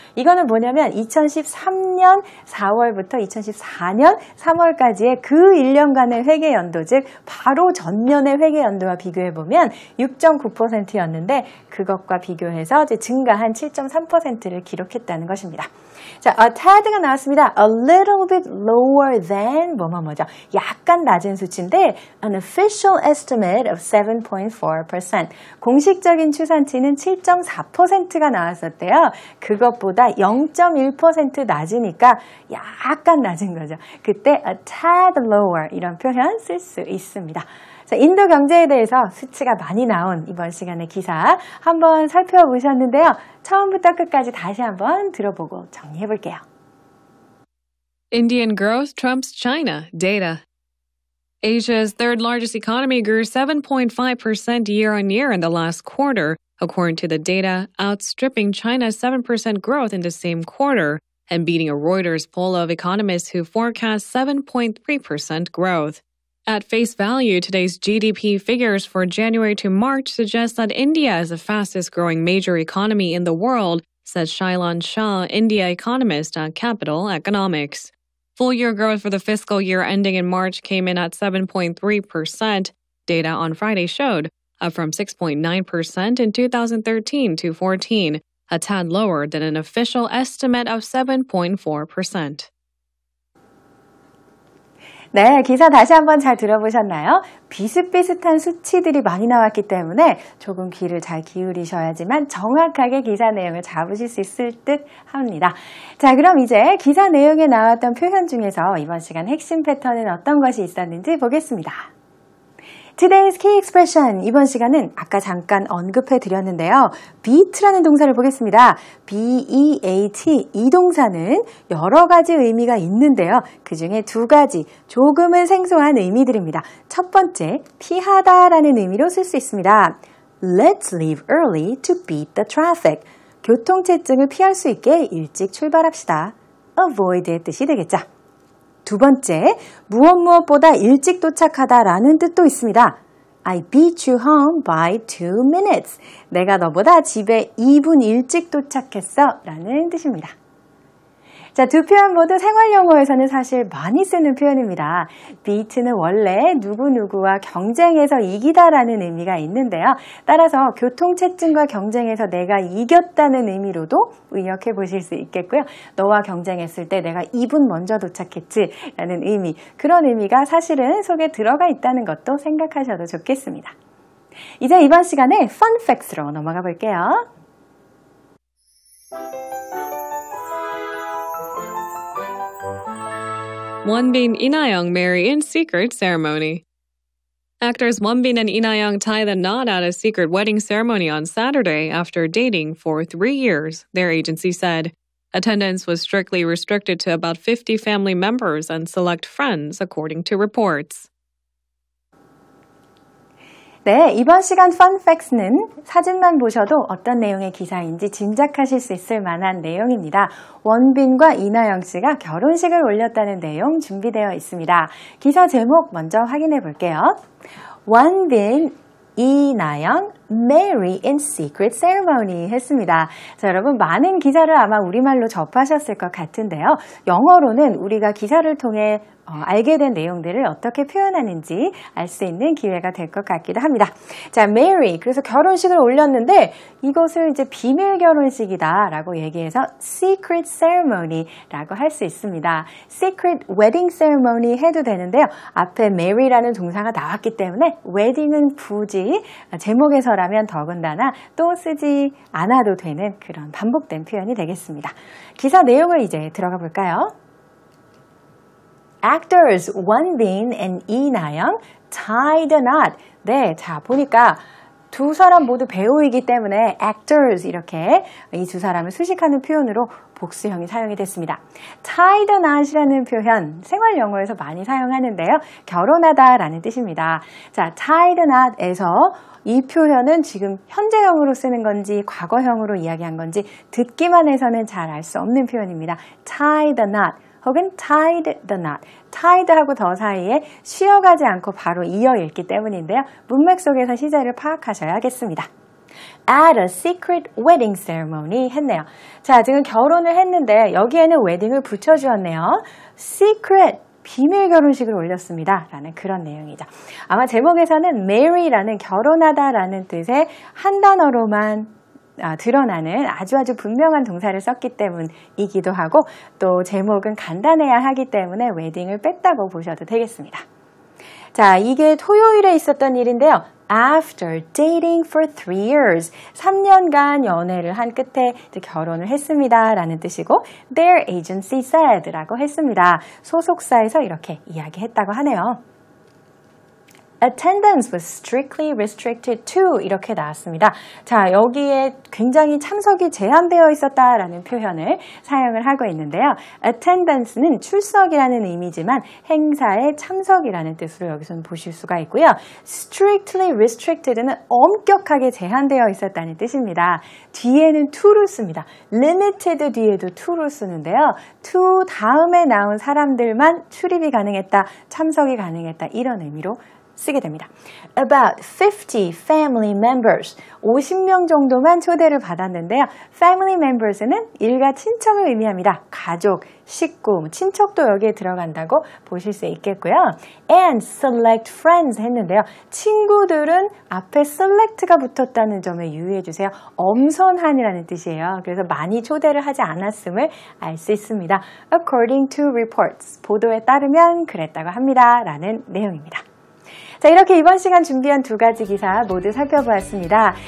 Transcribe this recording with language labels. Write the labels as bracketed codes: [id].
[ko] 이거는 뭐냐면 2013년 4월부터 2014년 3월까지의 그 1년간의 회계 연도, 즉 바로 전년의 회계 연도와 비교해 보면 6.9%였는데 그것과 비교해서 이제 증가한 7.3%를 기록했다는 것입니다. 자, [en] a tad [ko] 가 나왔습니다. [en] a little bit lower than [ko] 뭐뭐뭐죠. 약간 낮은 수치인데 [en] an official estimate of 7.4%. [ko] 공식적인 추산치는 7.4%가 나왔었대요. 그것보다 0.1% 낮으니까 약간 낮은 거죠. 그때 [en] a tad lower [ko] 이런 표현 쓸 수 있습니다. 자, 인도 경제에 대해서 수치가 많이 나온 이번 시간의 기사 한번 살펴보셨는데요. 처음부터 끝까지 다시 한번 들어보고 정리해 볼게요. [en] Indian growth trumps China data. Asia's third largest economy grew 7.5% year-on-year in the last quarter, according to the data, outstripping China's 7% growth in the same quarter and beating a Reuters poll of economists who forecast 7.3% growth. At face value, today's GDP figures for January to March suggest that India is the fastest-growing major economy in the world, said Shailan Shah, India economist at Capital Economics. Full-year growth for the fiscal year ending in March came in at 7.3%, data on Friday showed, up from 6.9% in 2013-14, a tad lower than an official estimate of 7.4%. [ko] 네, 기사 다시 한번 잘 들어보셨나요? 비슷비슷한 수치들이 많이 나왔기 때문에 조금 귀를 잘 기울이셔야지만 정확하게 기사 내용을 잡으실 수 있을 듯 합니다. 자, 그럼 이제 기사 내용에 나왔던 표현 중에서 이번 시간 핵심 패턴은 어떤 것이 있었는지 보겠습니다. [en] Today's key expression, [ko] 이번 시간은 아까 잠깐 언급해 드렸는데요. beat라는 동사를 보겠습니다. beat, 이 동사는 여러 가지 의미가 있는데요. 그 중에 두 가지, 조금은 생소한 의미들입니다. 첫 번째, 피하다라는 의미로 쓸 수 있습니다. [en] Let's leave early to beat the traffic. [ko] 교통체증을 피할 수 있게 일찍 출발합시다. avoid의 뜻이 되겠죠. 두 번째, 무엇 무엇보다 일찍 도착하다라는 뜻도 있습니다. [en] I beat you home by 2 minutes. [ko] 내가 너보다 집에 2분 일찍 도착했어 라는 뜻입니다. 자, 두 표현 모두 생활 용어에서는 사실 많이 쓰는 표현입니다. beat는 원래 누구누구와 경쟁해서 이기다라는 의미가 있는데요. 따라서 교통체증과 경쟁해서 내가 이겼다는 의미로도 의역해 보실 수 있겠고요. 너와 경쟁했을 때 내가 2분 먼저 도착했지라는 의미, 그런 의미가 사실은 속에 들어가 있다는 것도 생각하셔도 좋겠습니다. 이제 이번 시간에 fun facts로 넘어가 볼게요. [en] 원빈, 이나영 marry in secret ceremony. Actors Wonbin and Inayoung tie the knot at a secret wedding ceremony on Saturday after dating for 3 years, their agency said. Attendance was strictly restricted to about 50 family members and select friends, according to reports. [ko] 네, 이번 시간 Fun Facts는 사진만 보셔도 어떤 내용의 기사인지 짐작하실 수 있을 만한 내용입니다. 원빈과 이나영 씨가 결혼식을 올렸다는 내용 준비되어 있습니다. 기사 제목 먼저 확인해 볼게요. [en] 원빈, 이나영, marry in secret ceremony [ko] 했습니다. 자, 여러분, 많은 기사를 아마 우리말로 접하셨을 것 같은데요. 영어로는 우리가 기사를 통해 알게 된 내용들을 어떻게 표현하는지 알 수 있는 기회가 될 것 같기도 합니다. 자, marry, 그래서 결혼식을 올렸는데 이것을 이제 비밀 결혼식이다라고 얘기해서 [en] secret ceremony [ko] 라고 할 수 있습니다. [en] secret wedding ceremony [ko] 해도 되는데요. 앞에 marry라는 동사가 나왔기 때문에 wedding은 굳이 제목에서라면 더군다나 또 쓰지 않아도 되는 그런 반복된 표현이 되겠습니다. 기사 내용을 이제 들어가 볼까요? [en] Actors Wonbin and Inayoung tie the knot. [ko] 네, 자, 보니까 두 사람 모두 배우이기 때문에 actors 이렇게 이 두 사람을 수식하는 표현으로 복수형이 사용이 됐습니다. [en] Tie the knot [ko] 이라는 표현, 생활 영어에서 많이 사용하는데요. 결혼하다라는 뜻입니다. 자, [en] tie the knot [ko] 에서 이 표현은 지금 현재형으로 쓰는 건지 과거형으로 이야기한 건지 듣기만 해서는 잘 알 수 없는 표현입니다. [en] Tie the knot. [ko] 혹은 [en] tied the knot. [ko] tied하고 더 사이에 쉬어가지 않고 바로 이어 읽기 때문인데요. 문맥 속에서 시제를 파악하셔야겠습니다. [en] At a secret wedding ceremony [ko] 했네요. 자, 지금 결혼을 했는데 여기에는 wedding을 붙여주었네요. secret, 비밀 결혼식을 올렸습니다. 라는 그런 내용이죠. 아마 제목에서는 marry라는 결혼하다라는 뜻의 한 단어로만 드러나는 아주아주 분명한 동사를 썼기 때문이기도 하고 또 제목은 간단해야 하기 때문에 웨딩을 뺐다고 보셔도 되겠습니다. 자, 이게 토요일에 있었던 일인데요. [en] After dating for 3 years, [ko] 3년간 연애를 한 끝에 이제 결혼을 했습니다 라는 뜻이고 [en] their agency said [ko] 라고 했습니다. 소속사에서 이렇게 이야기했다고 하네요. [en] Attendance was strictly restricted to [ko] 이렇게 나왔습니다. 자, 여기에 굉장히 참석이 제한되어 있었다라는 표현을 사용을 하고 있는데요. Attendance는 출석이라는 의미지만 행사에 참석이라는 뜻으로 여기서는 보실 수가 있고요. [en] Strictly restricted [ko] 는 엄격하게 제한되어 있었다는 뜻입니다. 뒤에는 to를 씁니다. Limited 뒤에도 to를 쓰는데요. To 다음에 나온 사람들만 출입이 가능했다, 참석이 가능했다 이런 의미로 쓰게 됩니다. [en] About 50 family members. [ko] 50명 정도만 초대를 받았는데요. [en] Family members [ko] 는 일가 친척을 의미합니다. 가족, 식구, 친척도 여기에 들어간다고 보실 수 있겠고요. [en] And select friends [ko] 했는데요. 친구들은 앞에 select가 붙었다는 점에 유의해 주세요. 엄선한이라는 뜻이에요. 그래서 많이 초대를 하지 않았음을 알 수 있습니다. [en] According to reports. [ko] 보도에 따르면 그랬다고 합니다. 라는 내용입니다. 자, 이렇게 이번 시간 준비한 두 가지 기사 모두 살펴보았습니다.